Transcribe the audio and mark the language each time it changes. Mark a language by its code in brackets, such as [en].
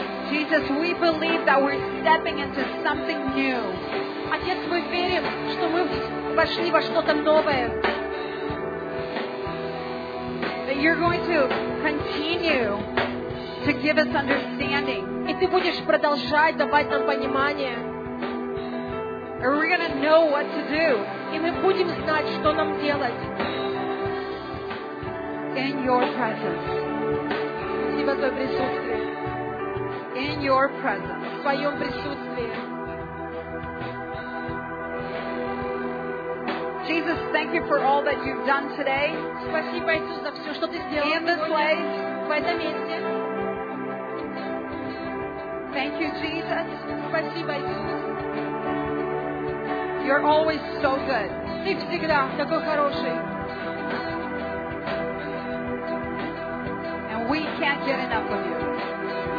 [en] Jesus, we believe that we're stepping into something new. [ru] Отец, мы верим, что мы вошли во что-то новое. [en] That you're going to continue to give us understanding. [ru] И ты будешь продолжать давать нам понимание. [en] And we're gonna know what to do. [ru] И мы будем знать, что нам делать. [en] In your presence. [ru] Спасибо за присутствие. [en] In your presence. [ru] В твоем присутствии. [en] Jesus, thank you for all that you've done today. [ru] Спасибо, Иисус, за все, что ты сделал. [en] In this place. [ru] В этом месте. [en] Thank you, Jesus. [ru] Спасибо, Иисус. [en] You're always so good. [ru] Ты всегда такой хороший. [en] And we can't get enough of you.